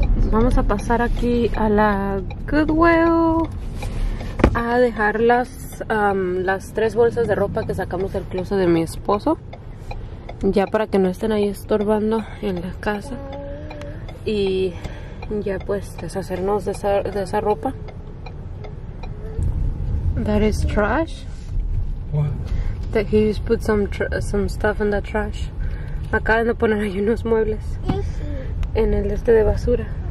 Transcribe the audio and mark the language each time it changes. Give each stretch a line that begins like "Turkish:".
Spanish: Vamos a pasar aquí a la Goodwill a dejar las tres bolsas de ropa que sacamos del closet de mi esposo, ya para que no estén ahí estorbando en la casa, y ya pues deshacernos de esa ropa.
English: That is trash. What? That he just put some stuff in the trash.
Spanish: Acaban de poner ahí unos muebles en el este de basura.